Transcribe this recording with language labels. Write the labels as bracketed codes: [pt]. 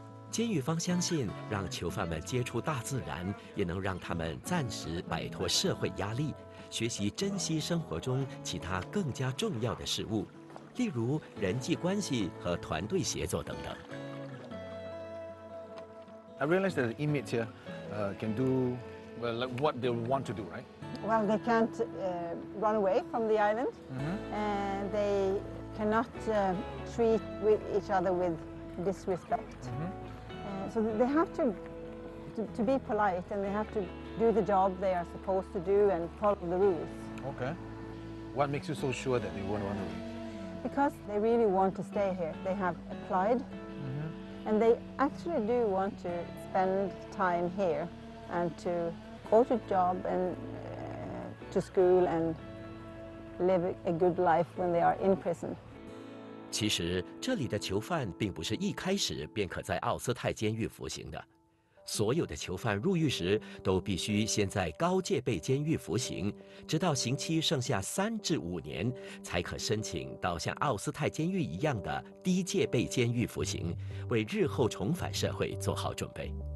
[zh] 监狱方相信，让囚犯们接触大自然，也能让他们暂时摆脱社会压力，学习珍惜生活中其他更加重要的事物，例如人际关系和团队协作等等。 [en] I realize that the inmates here can do well, like what they want to do, right? Well, they can't run away from the island, and they cannot treat each other with disrespect. So they have to be polite, and they have to do the job they are supposed to do and follow the rules. Okay. What makes you so sure that they won't run away? Because they really want to stay here. They have applied. Mm-hmm. And they actually do want to spend time here and to go to job and to school and live a good life when they are in prison. [zh] 其实这里的囚犯并不是一开始便可在奥斯泰监狱服刑的。所有的囚犯入狱时都必须先在高戒备监狱服刑，直到刑期剩下3至5年，才可申请到像奥斯泰监狱一样的低戒备监狱服刑，为日后重返社会做好准备。